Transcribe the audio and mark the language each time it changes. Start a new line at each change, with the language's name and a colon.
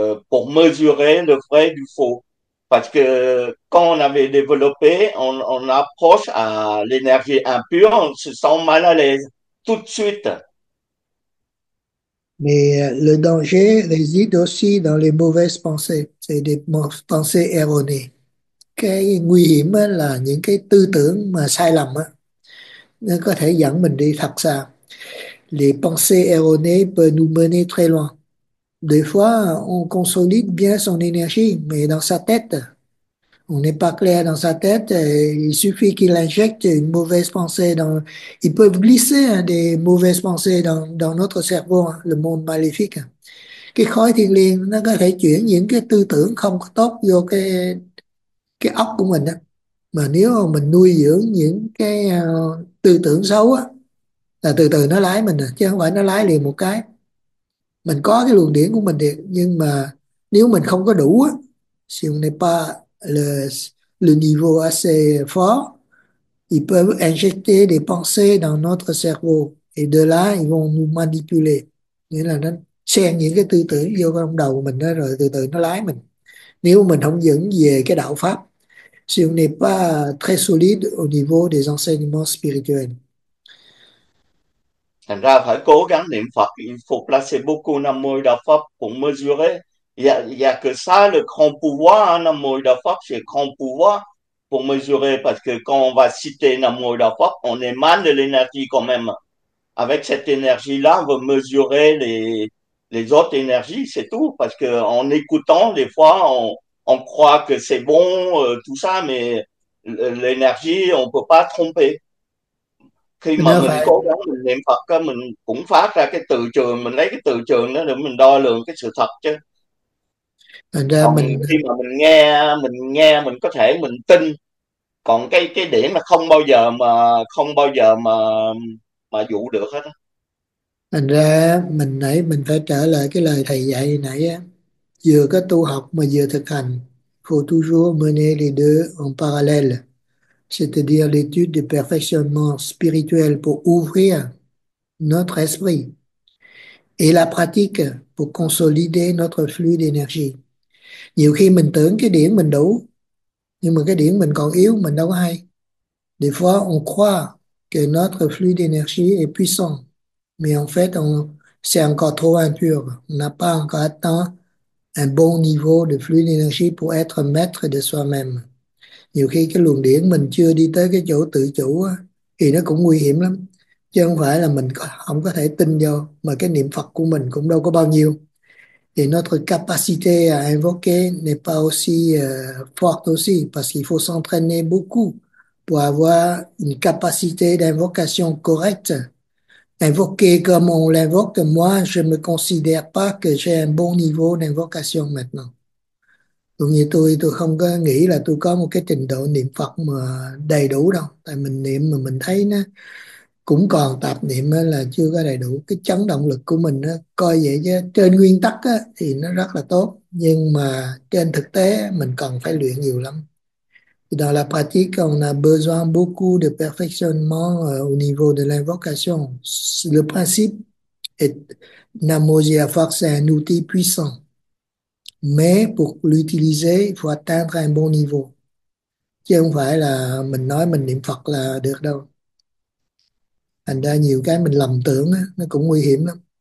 French: Pour mesurer le vrai du faux. Parce que quand on avait développé, on approche à l'énergie impure, on se sent mal à l'aise tout de suite. Mais le danger réside aussi dans les mauvaises pensées, c'est des pensées erronées.
Vietnamese: Cái nguy hiểm là những cái tư tưởng mà sai lầm á, nó có thể dẫn mình đi thật xa.
French: Les pensées erronées peuvent nous mener très loin. Des fois, on consolide bien son énergie, mais dans sa tête, on n'est pas clair dans sa tête. Et il suffit qu'il injecte une mauvaise pensée dans. Ils peuvent glisser hein, des mauvaises pensées dans notre cerveau, hein, le monde maléfique.
Vietnamese: Cái khói thiêng liêng nó có thể chuyển những cái tư tưởng không tốt vô cái óc của mình. Đó. Mà nếu mà mình nuôi dưỡng những cái tư tưởng xấu á, là từ từ nó lái mình, chứ không phải nó lái liền một cái. Mình có cái luồng điển của mình thì, nhưng mà nếu mình không có đủ á,
French: si on n'est pas le niveau assez fort, ils peuvent injecter des pensées dans notre cerveau et de là ils vont nous manipuler.
Vietnamese: Nghĩa là nó xen những cái tư tưởng vô trong đầu mình đó, rồi từ từ nó lái mình. Nếu mình không vững về cái đạo pháp,
French: si on n'est pas très solide au niveau des enseignements spirituels.
Vietnamese: Thành ra phải cố gắng niệm Phật, Phục là
French: c'est beaucoup,
Vietnamese: Nam Mô Đà Phật cũng
French: mesurer. Và que ça, le grand pouvoir, Nam Mô Đà Phật, c'est grand pouvoir pour mesurer. Parce que quand on va citer Nam Mô Đà Phật, on émane de l'énergie quand même. Avec cette énergie-là, on va mesurer les autres énergies, c'est tout. Parce qu'en écoutant, des fois, on croit que c'est bon, tout ça, mais l'énergie, on peut pas tromper.
Vietnamese: Khi mà Nó mình phải cố gắng mình niệm Phật á, mình cũng phát ra cái từ trường, mình lấy cái từ trường đó để mình đo lường cái sự thật chứ. thành ra Còn mình khi mà mình nghe mình có thể mình tin, còn cái điểm mà không bao giờ mà dụ được hết á. thành ra mình nãy mình phải trở lại cái lời thầy dạy nãy á, vừa có tu học mà vừa thực hành,
French: faut toujours mener les deux en parallèle. C'est-à-dire l'étude du perfectionnement spirituel pour ouvrir notre esprit et la pratique pour consolider notre flux d'énergie.
Vietnamese: Nhiều khi mình tưởng cái điển mình đủ, nhưng mà cái điển mình còn yếu, mình đâu có hay.
French: Des fois, on croit que notre flux d'énergie est puissant, mais en fait, c'est encore trop impur. On n'a pas encore atteint un bon niveau de flux d'énergie pour être maître de soi-même.
Vietnamese: Nhiều khi cái luồng điển mình chưa đi tới cái chỗ tự chủ á, thì nó cũng nguy hiểm lắm. Chứ không phải là mình không có thể tin vô, mà cái niệm Phật của mình cũng đâu có bao nhiêu.
French: Thì notre capacité à invoquer n'est pas aussi forte aussi, parce qu'il faut s'entraîner beaucoup pour avoir une capacité d'invocation correcte. Invoquer comme on l'invoque, moi, je ne me considère pas que j'ai un bon niveau d'invocation maintenant.
Vietnamese: Tôi nghĩ tôi không có nghĩ là tôi có một cái trình độ niệm Phật mà đầy đủ đâu. Tại mình niệm mà mình thấy nó cũng còn tạp niệm là chưa có đầy đủ. Cái chấn động lực của mình nó coi vậy chứ. Trên nguyên tắc á, thì nó rất là tốt. Nhưng mà trên thực tế mình cần phải luyện nhiều lắm.
French: Dans la pratique, on a besoin beaucoup de perfectionnement au niveau de l'invocation. Le principe est L'amour, c'est un outil puissant. Mais pour l'utiliser, il faut atteindre un bon niveau.
Vietnamese: Chứ không phải là mình nói mình niệm Phật là được đâu. Thành ra nhiều cái mình lầm tưởng đó, nó cũng nguy hiểm lắm.